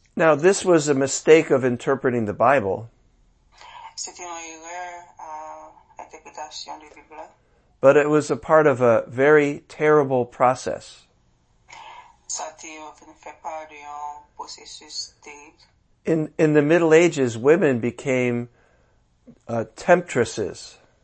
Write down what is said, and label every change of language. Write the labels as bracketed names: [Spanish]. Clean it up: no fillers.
[English] Now this was a mistake of interpreting the Bible. [French] C'était une erreur interprétation de la Bible. [English] But it was a part of a very terrible process. [French] Ça était une part d'un processus terrible. [English] In the Middle Ages, women became temptresses.